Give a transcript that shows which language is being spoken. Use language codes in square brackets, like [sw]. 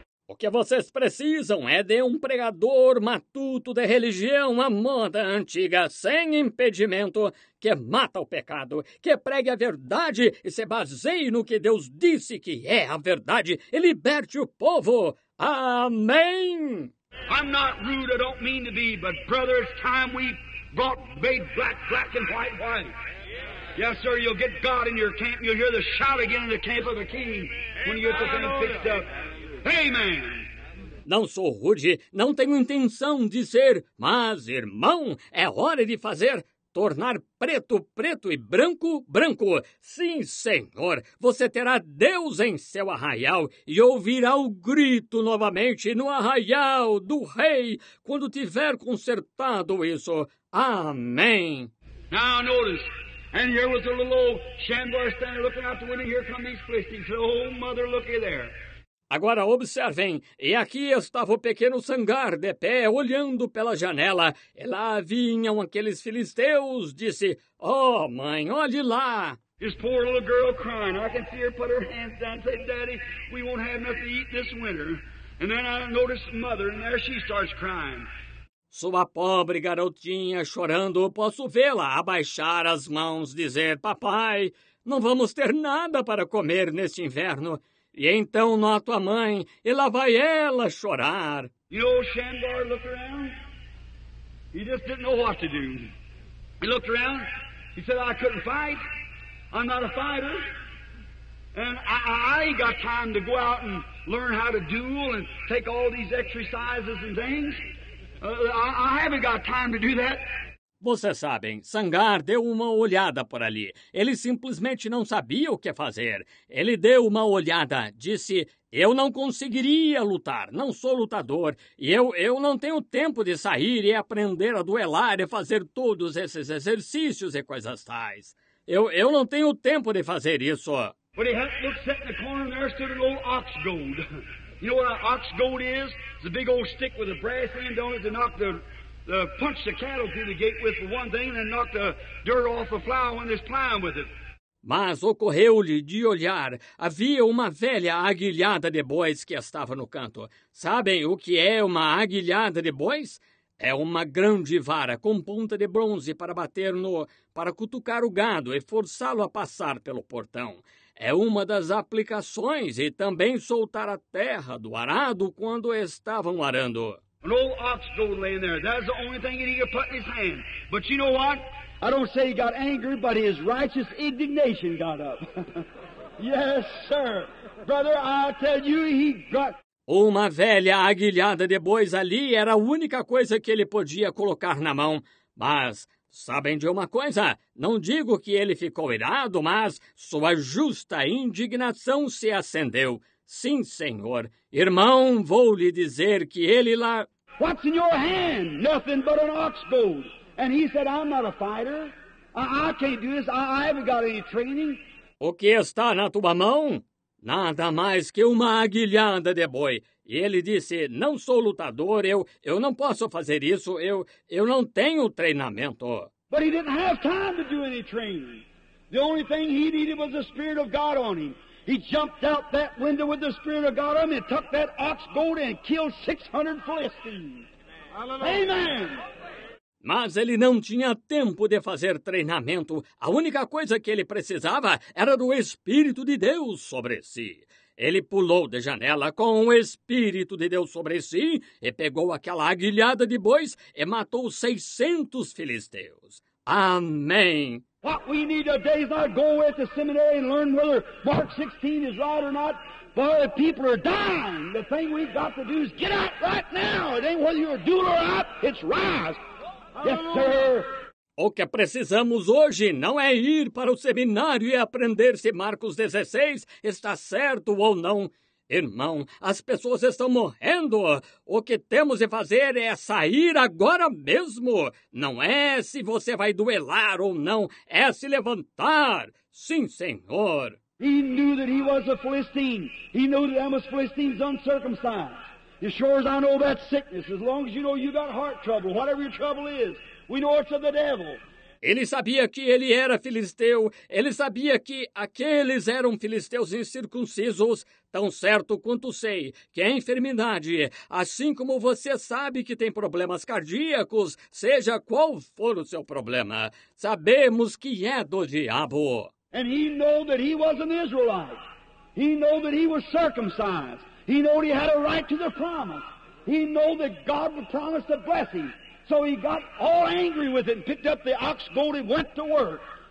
[pt] O que vocês precisam é de um pregador matuto de religião à moda antiga, sem impedimento, que mata o pecado, que pregue a verdade e se baseie no que Deus disse que é a verdade e liberte o povo. Amém! [en] I'm not rude, I don't mean to be, but brother, it's time we brought, made black, black and white, white. Yes, sir, you'll get God in your camp, you'll hear the shout again in the camp of the king when you get the thing fixed up. Amen! [pt] Não sou rude, não tenho intenção de ser, mas, irmão, é hora de fazer tornar preto, preto e branco, branco. Sim, senhor, você terá Deus em seu arraial e ouvirá o grito novamente no arraial do rei quando tiver consertado isso. Amém. [en] Now notice, and here was a little old Shamgar standing looking out the window, here come these Philistines. Oh, mother, looky there. [pt] Agora observem, e aqui estava o pequeno Sangar de pé, olhando pela janela. E lá vinham aqueles filisteus, disse, oh, mãe, olhe lá. [en] His poor little girl crying. I can see her put her hands down and say, Daddy, we won't have nothing to eat this winter. And then I notice mother, and there she starts crying. [pt] Sua pobre garotinha chorando, posso vê-la abaixar as mãos, dizer, papai, não vamos ter nada para comer neste inverno. E então noto a mãe, e lá vai ela chorar. [en] You know, Shamgar looked around. He just didn't know what to do. He looked around. He said, I couldn't fight. I'm not a fighter. And I ain't got time to go out and learn how to duel and take all these exercises and things. I haven't got time to do that. [pt] Vocês sabem, Sangar deu uma olhada por ali. Ele simplesmente não sabia o que fazer. Ele deu uma olhada, disse, eu não conseguiria lutar, não sou lutador. E eu não tenho tempo de sair e aprender a duelar e fazer todos esses exercícios e coisas tais. Eu não tenho tempo de fazer isso. [en] But he had to look set in the corner and there stood an old ox goad. You know what an ox goad is? It's a big old stick with a brass end on it to knock the... punch the cattle through the gate with one thing and then knock the dirt off the flour when they're plowing with it. [pt] Mas ocorreu-lhe de olhar. Havia uma velha aguilhada de bois que estava no canto. Sabem o que é uma aguilhada de bois? É uma grande vara com ponta de bronze para bater no... para cutucar o gado e forçá-lo a passar pelo portão. É uma das aplicações e também soltar a terra do arado quando estavam arando. [en] An old ox goad laying there. That's the only thing that he could put in his hand. But you know what? I don't say he got angry, but his righteous indignation got up. Yes, sir. Brother, I tell you, he got... [pt] Uma velha aguilhada de bois ali era a única coisa que ele podia colocar na mão. Mas, sabem de uma coisa? Não digo que ele ficou irado, mas sua justa indignação se acendeu. Sim, senhor. Irmão, vou lhe dizer que ele lá... [en] What's in your hand? Nothing but an ox goad. And he said, I'm not a fighter. I can't do this. I haven't got any training. [pt] O que está na tua mão? Nada mais que uma aguilhada de boi. E ele disse, não sou lutador. Eu não posso fazer isso. Eu não tenho treinamento. [en] But he didn't have time to do any training. The only thing he needed was the Spirit of God on him. He jumped out that window with the Spirit of God on him and took that ox goad and killed 600 Philistines. Amen. Amen! [pt] Mas ele não tinha tempo de fazer treinamento. A única coisa que ele precisava era do Espírito de Deus sobre si. Ele pulou da janela com o Espírito de Deus sobre si e pegou aquela aguilhada de bois e matou 600 Filisteus. Amém! [en] What we need today is not go away to seminary and learn whether Mark 16 is right or not. But if people are dying, the thing we've got to do is get out right now. It ain't whether you're a doer or not, it's rise. Yes, sir. [pt] O que precisamos hoje não é ir para o seminário e aprender se Marcos 16 está certo ou não. Irmão, as pessoas estão morrendo. O que temos de fazer é sair agora mesmo. Não é se você vai duelar ou não, é se levantar. Sim, senhor. [en] He knew that he was a Philistine. He knew that them was Philistines uncircumcised. As sure as I know that sickness, as long as you know you got heart trouble, whatever your trouble is, we know it's of the devil. [pt] Ele sabia que ele era filisteu, ele sabia que aqueles eram filisteus incircuncisos, tão certo quanto sei que é enfermidade, assim como você sabe que tem problemas cardíacos, seja qual for o seu problema, sabemos que é do diabo. [en] And he knew that he was an Israelite. He knew that he was circumcised. He knew he had a right to the promise. He knew that God would promise to bless him. So he got all angry with it and picked up the ox goad and went to work.